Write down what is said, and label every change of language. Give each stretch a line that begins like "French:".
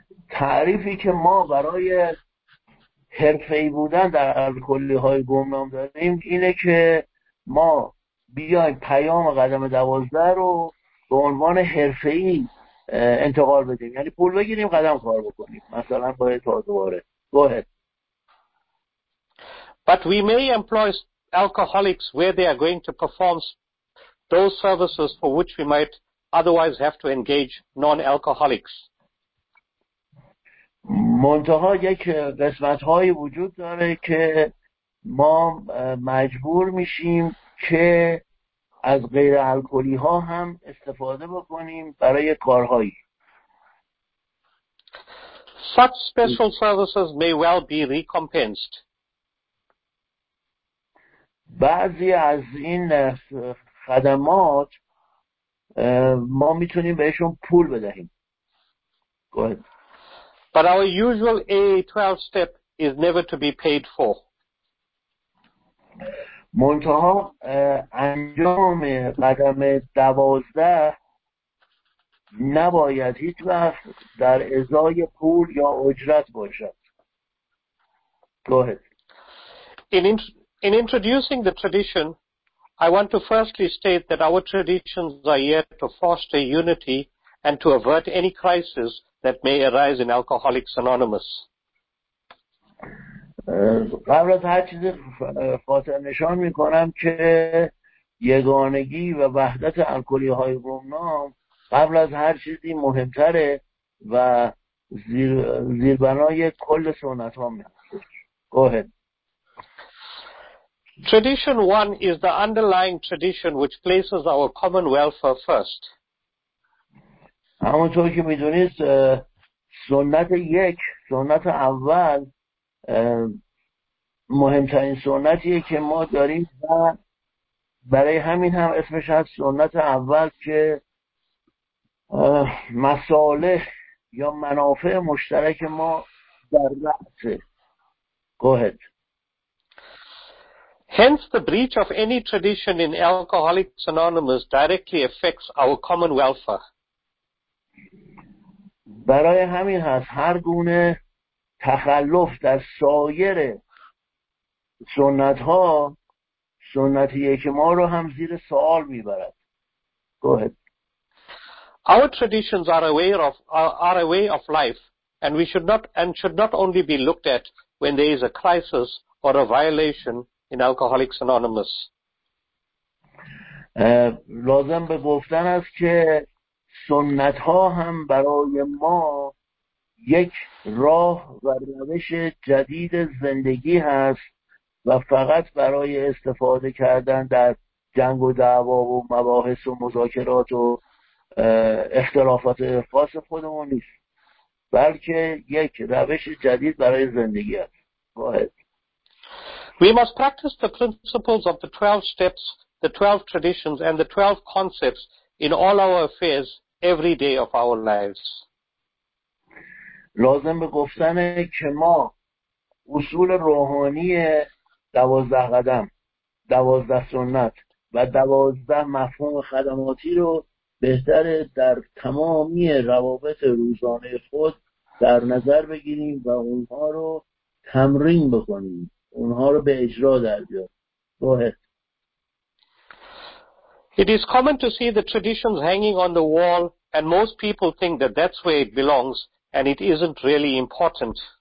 Persian: تعریفی که ما برای حرفه‌ای بودن در الکلی‌های گمنام داریم اینه که ما بیایم پیام قدم 12 رو به عنوان حرفه‌ای انتقال بدیم، یعنی پول بگیریم قدم کار بکنیم، مثلا باید تازه‌واره.
English: Go ahead. But we may employ alcoholics where they are going to perform those services for which we might otherwise have to engage non-alcoholics.
Persian: منتها یک قسمت هایی وجود داره که ما مجبور میشیم که از غیر الکلی ها هم استفاده بکنیم برای کارهایی.
English: Such special services may well be recompensed.
Persian: بعضی از این خدمات ما میتونیم بهشون پول بدهیم.
English: Go ahead. But our usual AA 12 step is never to be paid for.
Persian: منتها انجام قدم 12 نباید هیچ وقت در ازای پول یا اجرت باشد.
English: Go ahead. In introducing the tradition, I want to firstly state that our traditions are here to foster unity and to avert any crisis that may arise in Alcoholics Anonymous.
Persian: قبل از هر چیز خاطر نشان می کنم که یگانگی و وحدت الکلی های گمنام قبل از هر چیزی مهمتره و زیربنای کل سنت ها می هست.
English: Go ahead. Tradition 1 is the underlying tradition which places our common welfare first.
Persian: همونطور که میدونید سنت یک، سنت اول مهمترین سنتیه که ما داریم و برای همین هم اسمش هست سنت اول که مصالح یا منافع مشترک ما در رأسه.
English: Go ahead. Hence, the breach of any tradition in Alcoholics Anonymous directly affects our common welfare.
Persian: برای همین هست هر گونه تخلف در سایر سنت‌ها سنتیه که ما رو هم زیر سوال می‌برد.
English: Go ahead. Our traditions are a way of life, and should not only be looked at when there is a crisis or a violation in Alcoholics Anonymous.
Persian: لازم به گفتن است که سنت ها هم برای ما یک راه و روش جدید زندگی هست و فقط برای استفاده کردن در جنگ و دعوا و مباحث و مذاکرات و اختلافات خاص خودمون نیست، بلکه یک روش جدید برای زندگی است. باید
English: We must practice the principles of the 12 steps, the 12 traditions, and the 12 concepts in all our affairs every day of our lives.
Persian: لازم به گفتن که ما اصول روحانی 12 قدم، 12 سنت و 12 مفهوم خدماتی رو بهتر در تمامی روابط روزانه خود در نظر بگیریم و اونها رو تمرین بکنیم. اونها رو به اجرا در بیار.
English: It is common to see the traditions hanging on the wall and most people think that that's where it belongs and it isn't really important.